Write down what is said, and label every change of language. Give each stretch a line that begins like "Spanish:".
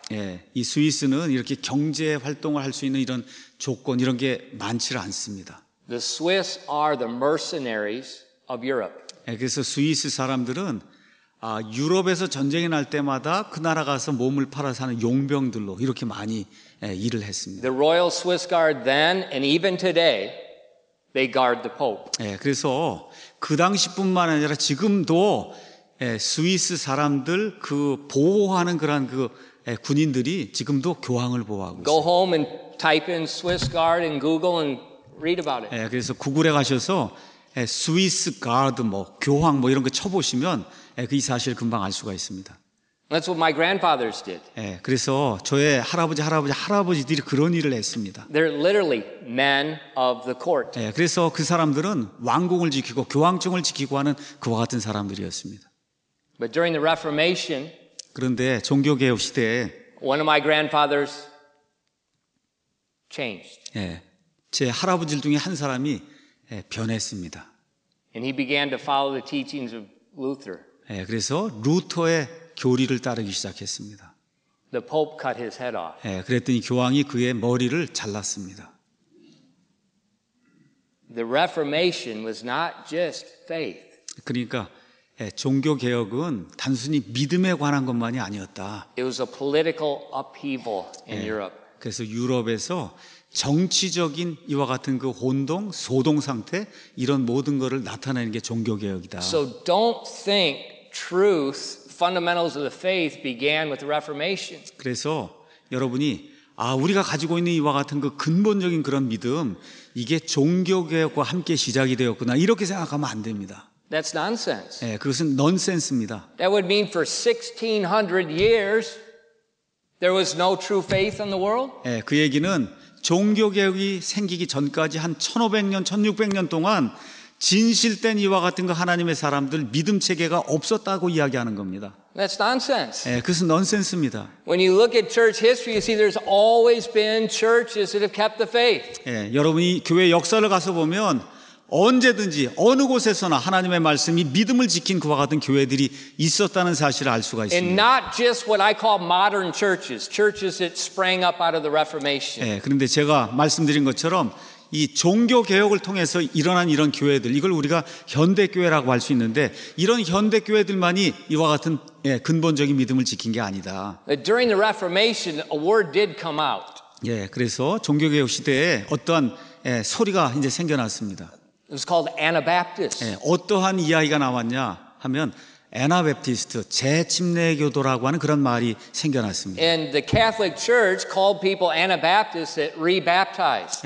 Korean: 예, 이 스위스는 이렇게 경제 활동을 할 수 있는 이런 조건 이런 게 많지를 않습니다.
English: The Swiss are the mercenaries of Europe.
Korean: 예, 그래서 스위스 사람들은 유럽에서 전쟁이 날 때마다 그 나라 가서 몸을 팔아 사는 용병들로 이렇게 많이 일을 했습니다.
English: The Royal Swiss Guard then and even today they guard the Pope.
Korean: 예, 그래서 그 당시뿐만 아니라 지금도 예, 스위스 사람들 그 보호하는 그런 그 예, 군인들이 지금도 교황을 보호하고 있어요.
English: Go home and type in Swiss Guard in Google and read about it.
Korean: 예, 그래서 구글에 가셔서 예, 스위스 가드 뭐 교황 뭐 이런 거 쳐보시면 예, 그 이 사실 금방 알 수가 있습니다.
English: That's what my grandfathers did.
Korean: 예, 그래서 저의 할아버지 할아버지 할아버지들이 그런 일을 했습니다.
English: They're literally men of the court.
Korean: 예, 그래서 그 사람들은 왕궁을 지키고 교황청을 지키고 하는 그와 같은 사람들이었습니다.
English: But during the Reformation,
Korean: 그런데 종교 개혁 시대에
English: one of my grandfathers changed.
Korean: 예, 제 할아버지들 중에 한 사람이 예, 변했습니다.
English: And he began to follow the teachings of Luther.
Korean: 예, 그래서 루터의 교리를 따르기 시작했습니다.
English: The Pope cut his head off.
Korean: 예, 그랬더니 교황이 그의 머리를 잘랐습니다.
English: The Reformation was not just faith.
Korean: 그러니까 예, 종교 개혁은 단순히 믿음에 관한 것만이 아니었다.
English: It was a political upheaval in Europe.
Korean: 그래서 유럽에서 정치적인 이와 같은 그 혼동, 소동 상태 이런 모든 것을 나타내는 게 종교 개혁이다.
English: So don't think truth, fundamentals of the faith began with the Reformation.
Korean: 그래서 여러분이 우리가 가지고 있는 이와 같은 그 근본적인 그런 믿음 이게 종교 개혁과 함께 시작이 되었구나 이렇게 생각하면 안 됩니다.
English: That's nonsense.
Korean: 예, 그것은 넌센스입니다.
English: That would mean for 1600 years there was no true faith in the world.
Korean: 예, 그 얘기는 종교 개혁이 생기기 전까지 한 1500년, 1600년 동안 진실된 이와 같은 거 하나님의 사람들 믿음 체계가 없었다고 이야기하는 겁니다.
English: That's nonsense.
Korean: 예, 그것은 넌센스입니다.
English: When you look at church history, you see there's always been churches that have kept the faith.
Korean: 예, 여러분이 교회 역사를 가서 보면 언제든지 어느 곳에서나 하나님의 말씀이 믿음을 지킨 그와 같은 교회들이 있었다는 사실을 알 수가 있습니다.
English: And not just what I call modern churches, churches that sprang up out of the Reformation.
Korean: 예, 그런데 제가 말씀드린 것처럼 이 종교 개혁을 통해서 일어난 이런 교회들, 이걸 우리가 현대 교회라고 할 수 있는데 이런 현대 교회들만이 이와 같은 예, 근본적인 믿음을 지킨 게 아니다.
English: During the Reformation, a word did come out.
Korean: 예, 그래서 종교 개혁 시대에 어떠한 예, 소리가 이제 생겨났습니다.
English: It was called Anabaptist.
Korean: 예, 어떠한 이야기가 나왔냐 하면 Anabaptist, 재침례교도라고 하는 그런 말이 생겨났습니다.
English: And the Catholic Church called people Anabaptists that rebaptized.